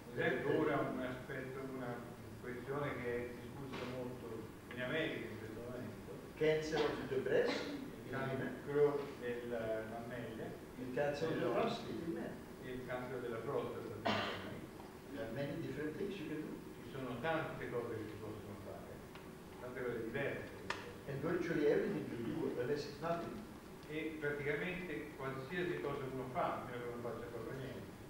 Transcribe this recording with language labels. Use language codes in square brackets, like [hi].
[it] Per esempio, ora un aspetto, una questione che è discussa molto in America in questo momento. [en] Cancer of the breast. [it] Cancro del mammelle. Il cancro della prostata. Il cancro della prostata. [en] Many different things you can do. [it] Ci sono tante cose che si possono fare, tante cose diverse. [en] And virtually everything you do, unless it's nothing. [it] E praticamente qualsiasi cosa uno fa, meno che non faccia proprio niente.